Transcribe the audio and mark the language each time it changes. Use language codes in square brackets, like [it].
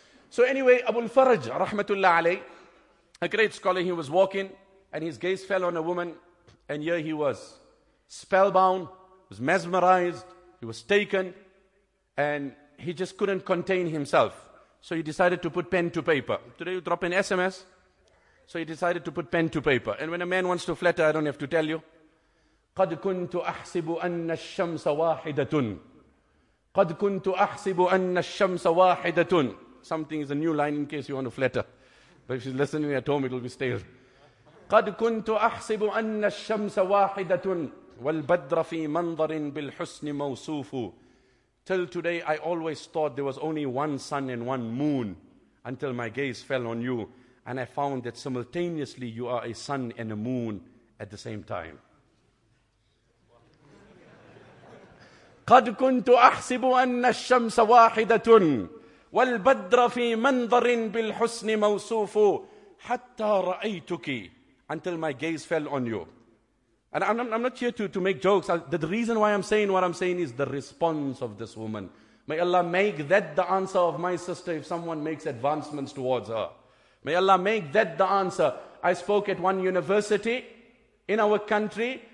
[en] So anyway, Abul Faraj, rahmatullah alayh, a great scholar, he was walking, and his gaze fell on a woman, and here he was, spellbound, was mesmerized, he was taken, and he just couldn't contain himself. So he decided to put pen to paper. Today you drop an SMS. So he decided to put pen to paper. And when a man wants to flatter, I don't have to tell you. [ar] قَدْ كُنْتُ أَحْسِبُ أَنَّ الشَّمْسَ وَاحِدَةٌ قَدْ كُنْتُ أَحْسِبُ أَنَّ الشَّمْسَ وَاحِدَةٌ [en] Something is a new line in case you want to flatter. But if she's listening at home, it'll be stale. [ar] قَدْ كُنْتُ أَحْسِبُ أَنَّ الشَّمْسَ وَاحِدَةٌ وَالْبَدْرَ فِي مَنْظَرٍ بِالْحُسْنِ مَوْصُوفُ [en] Till today, I always thought there was only one sun and one moon until my gaze fell on you. And I found that simultaneously you are a sun and a moon at the same time. [ar] قَدْ كُنْتُ أَحْسِبُ أَنَّ الشَّمْسَ وَاحِدَةٌ وَالْبَدْرَ فِي مَنْظَرٍ بِالْحُسْنِ مَوْصُوفُ حَتَّى رَأَيْتُكِ [en] Until my gaze fell on you. And I'm not here to make jokes. The reason why I'm saying what I'm saying is the response of this woman. May Allah make that the answer of my sister if someone makes advancements towards her. May Allah make that the answer. I spoke at one university in our country.